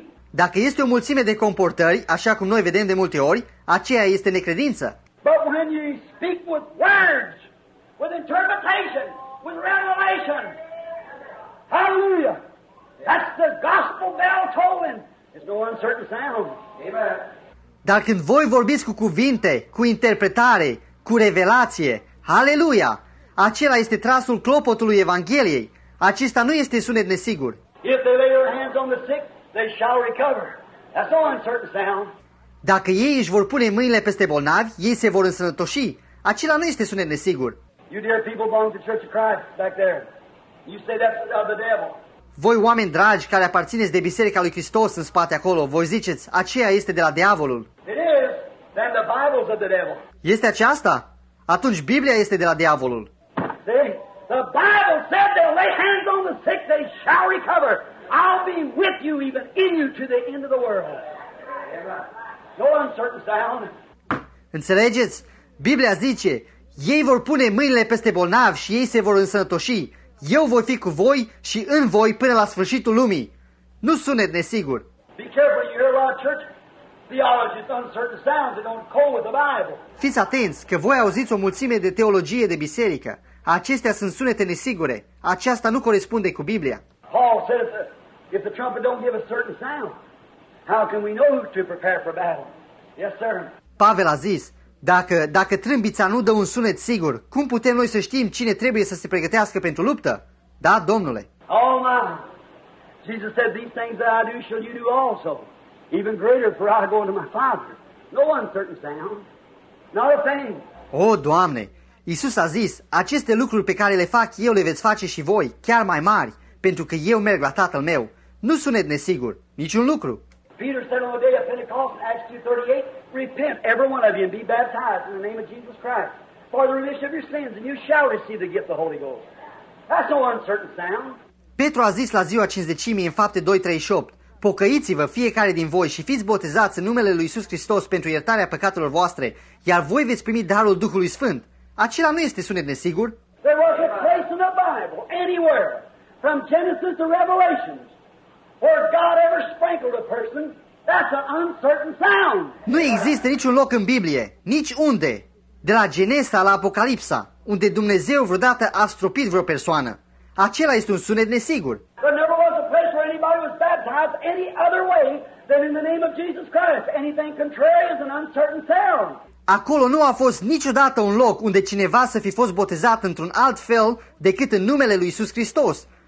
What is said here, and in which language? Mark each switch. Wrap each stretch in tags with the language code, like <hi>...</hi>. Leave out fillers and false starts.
<ro>Dacă este o mulțime de comportări, așa cum noi vedem de multe ori, aceea este necredință.</ro> <en>But when you speak with words, with interpretation, with revelation, hallelujah, that's the gospel bell tolling. It's no uncertain sound. Amen.</en> <ro>Dar când voi vorbiți cu cuvinte, cu interpretare, cu revelație, aleluia, acela este trasul clopotului Evangheliei. Acesta nu este sunet nesigur.</ro> <en>If they lay their hands on the sick, they shall recover. That's no uncertain sound.</en> <ro>Dacă ei își vor pune mâinile peste bolnavi, ei se vor însănătoși. Acela nu este sunet nesigur.</ro> <en>You dear people belong to Church of Christ back there. You say that's of the devil.</en> <ro>Voi oameni dragi care aparțineți de Biserica lui Hristos în spate acolo, voi ziceți, aceea este de la diavolul.</ro> <en>It is. Then the Bible's of the devil.</en> <ro>Este aceasta? Atunci Biblia este de la diavolul.</ro> <en>See? The Bible said they'll lay hands on the sick, they shall recover. I'll be with you even in you to the end of the world. No uncertain sound.</en> <ro>Înțelegeți? Biblia zice, ei vor pune mâinile peste bolnavi și ei se vor însănătoși. Eu voi fi cu voi și în voi până la sfârșitul lumii. Nu sunet nesigur.</ro> <en>Be careful, you hear a lot of church theologists, uncertain sounds that don't cohere with the Bible.</en> <ro>Fiți atenți că voi auziți o mulțime de teologie de biserică. Acestea sunt sunete nesigure. Aceasta nu corespunde cu Biblia.</ro> <en>Paul said if the trumpet don't give a certain sound, how can we know to prepare for battle? Yes, sir.</en> <ro>Pavel a zis, dacă trâmbița nu dă un sunet sigur, cum putem noi să știm cine trebuie să se pregătească pentru luptă? Da, Domnule.</ro> <en>Oh, my. Jesus said, these things that I do, shall you do also. Even greater, for I go unto my Father. No uncertain sound. Not a thing.</en> <ro>Oh, Doamne. Iisus a zis, aceste lucruri pe care le fac eu le veți face și voi, chiar mai mari, pentru că eu merg la Tatăl meu. Nu sunet nesigur, niciun lucru.</ro> <en>Peter said on the day of Pentecost, Acts 2:38, repent, every one of you, and be baptized in the name of Jesus Christ for the remission of your sins, and you shall receive the gift of the Holy Ghost. That's no uncertain sound.</en> <ro>Petru a zis la ziua cincizecimii în Fapte 2:38, pocăiți-vă fiecare din voi și fiți botezați în numele lui Iisus Hristos pentru iertarea păcatelor voastre, iar voi veți primi darul Duhului Sfânt. Acela nu este sunet nesigur.</ro> <en>There was a place in the Bible, anywhere, from Genesis to Revelation, where God ever sprinkled a person. That's an uncertain sound.</en> <ro>Nu există niciun loc în Biblie, nici unde, de la Genesa la Apocalipsa, unde Dumnezeu vreodată a stropit vreo persoană. Acela este un sunet nesigur.</ro> <en>There never was a place where anybody was baptized any other way than in the name of Jesus Christ. Anything contrary is an uncertain sound.</en> <ro>Acolo nu a fost niciodată un loc unde cineva să fi fost botezat într-un alt fel decât în numele lui Iisus Hristos.</ro>